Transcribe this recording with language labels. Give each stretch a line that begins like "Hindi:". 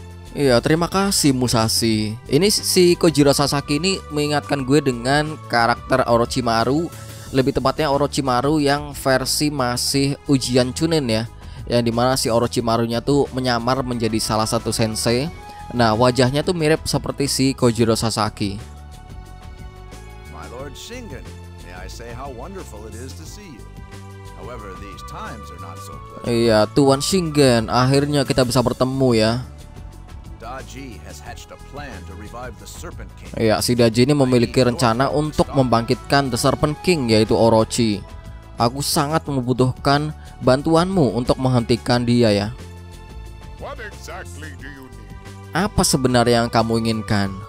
Indonesian: Ya, terima kasih Musashi. Ini si Kojiro Sasaki ini mengingatkan gue dengan karakter Orochimaru lebih tepatnya Orochimaru yang versi masih ujian chunin ya, yang dimana si Orochimarunya tuh menyamar menjadi salah satu sensei. Nah, wajahnya tuh mirip seperti si Kojiro Sasaki.
English: My Lord Shingen, may I say how wonderful it is to see you. However, these times are not so pleasant.
Indonesian: Iya, Tuan Shingen, akhirnya kita bisa bertemu ya.
English: Daji has hatched a plan to revive the Serpent King.
Indonesian: Iya, si Daji ini memiliki rencana untuk membangkitkan the Serpent King, yaitu Orochi. Aku sangat membutuhkan bantuanmu untuk menghentikan dia ya.
English: What exactly do you need?
Indonesian: Apa sebenarnya yang kamu inginkan?